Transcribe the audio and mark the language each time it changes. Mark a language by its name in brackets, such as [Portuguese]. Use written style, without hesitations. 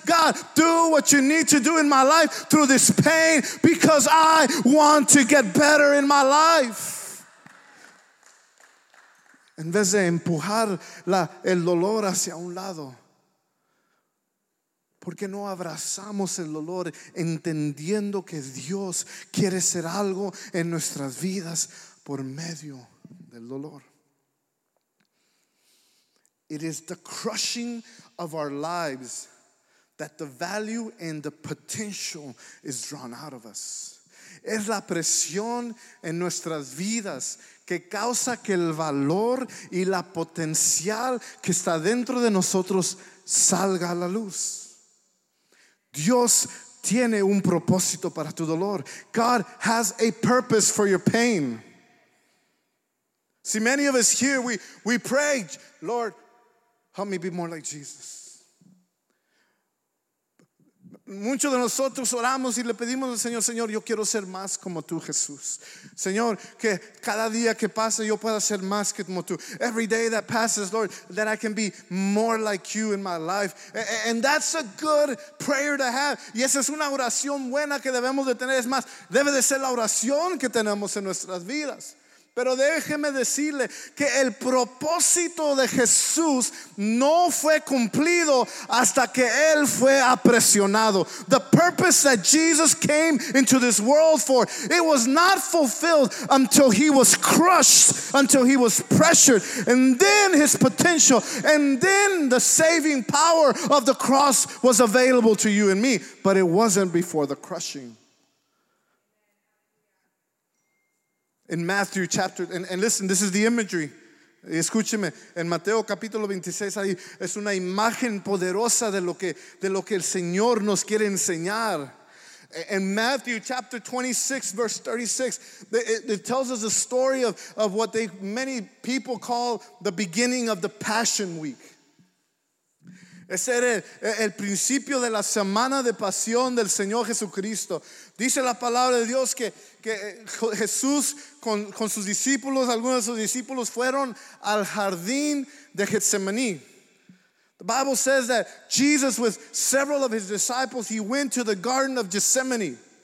[English] God, do what you need to do in my life through this pain, because I want to get better in my life. [Spanish] En vez de empujar el dolor hacia un lado, ¿por qué no abrazamos el dolor entendiendo que Dios quiere hacer algo en nuestras vidas por medio del dolor? [English] It is the crushing of our lives that the value and the potential is drawn out of us. [Spanish] Es la presión en nuestras vidas que causa que el valor y la potencial que está dentro de nosotros salga a la luz. Dios tiene un propósito para tu dolor. [English] God has a purpose for your pain. See, many of us here, we pray, Lord, help me be more like Jesus. [Spanish] Muchos de nosotros oramos y le pedimos al Señor, Señor, yo quiero ser más como tú, Jesús. Señor, que cada día que pase yo pueda ser más que como tú. [English] Every day that passes, Lord, that I can be more like you in my life. And that's a good prayer to have. [Spanish] Y esa es una oración buena que debemos de tener. Es más, debe de ser la oración que tenemos en nuestras vidas. Pero déjeme decirle que el propósito de Jesús no fue cumplido hasta que Él fue apresionado. [English] The purpose that Jesus came into this world for, it was not fulfilled until He was crushed, until He was pressured. And then His potential, and then the saving power of the cross was available to you and me. But it wasn't before the crushing. In Matthew chapter, and listen, this is the imagery. [Spanish] Escúcheme, en Mateo capítulo 26, ahí es una imagen poderosa de lo que el Señor nos quiere enseñar. [English] In Matthew chapter 26, verse 36, it tells us a story of what they many people call the beginning of the Passion Week. [Spanish] Ese era el principio de la semana de pasión del Señor Jesucristo. Dice la palabra de Dios que Jesús con sus discípulos, algunos de sus discípulos fueron al jardín de Getsemaní. [English] The Bible says that Jesus with several of his disciples, he went to the Garden of Gethsemane.